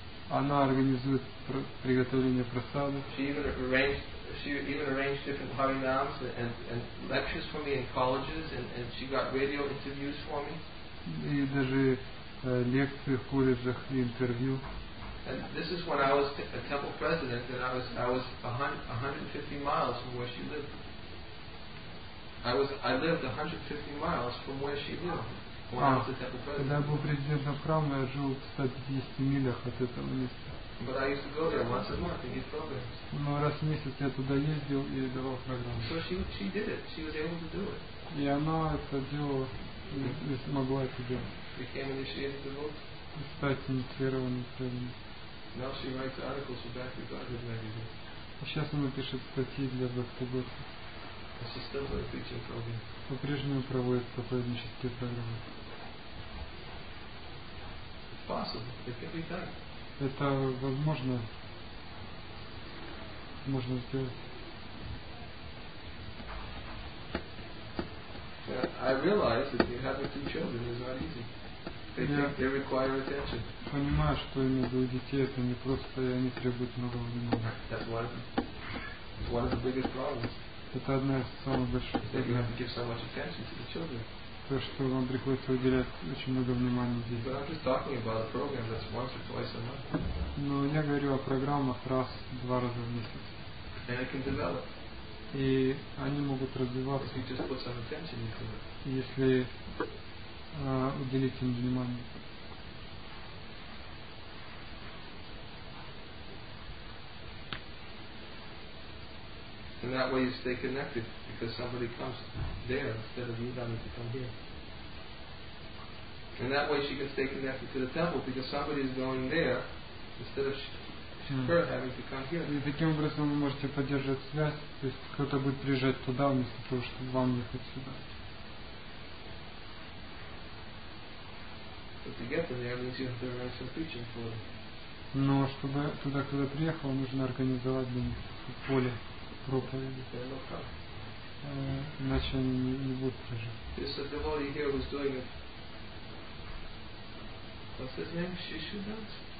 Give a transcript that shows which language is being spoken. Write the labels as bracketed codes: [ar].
[ru] Она организует приготовление прасады. [en] She even arranged different harinams and lectures for me in colleges and she got radio interviews for me. [ru] И даже лекции в колледжах и интервью. [en] And this is when I was a temple president, and I was 150 miles from where she lived. I lived 150 miles from where she lived when I was a temple president. [ru] Когда я был президентом храма, я жил в 150 милях от этого места. [en] But I used to go there once a month and give programs. [ru] Но раз в месяц я туда ездил и давал программы. [en] So she did it. She was able to do it. [ru] И она это делала, и смогла это делать. [en] Became initiated devotee. [ru] Стать инициированным преданным. [en] Now she writes articles for Bhakti Godhead magazine. [ru] Сейчас она пишет статьи для Bhakti Godhead. [en] And she still has a teaching program. [ru] По-прежнему проводит проповеднические программы. [en] It's possible. It can be done. [ru] Это возможно. Можно сделать. [en] I realize that you have two children is not easy. They require attention. [ru] Понимаю, что именно для детей это не просто, и они требуют много внимания. [en] That's one of the biggest problems. [ru] Это одна из самых больших проблем. [en] They have to give so much attention to the children. [ru] То, что вам приходится уделять очень много внимания детям. [en] But I'm just talking about a program that's once or twice a month. [ru] Но я говорю о программах раз, два раза в месяц. [en] And it can develop. [ru] И они могут развиваться. [en] If you just put some attention into it. [ru] Если уделить им внимание. [en] And that way you stay connected because somebody comes there instead of you having to come here. And that way she can stay connected to the temple because somebody is going there instead of her having to come here. [ru] И таким образом вы можете поддерживать связь, то есть кто-то будет приезжать туда вместо того, чтобы вам ехать сюда. [en] But to get them, there means you have to arrange some preaching for them. [ru] Но чтобы туда, куда приехал, нужно организовать для них поле проповеди. [en] They will come. [ru] Иначе они не будут приезжать. [en] There's a devotee here who's doing it. What's his name? Shishunath.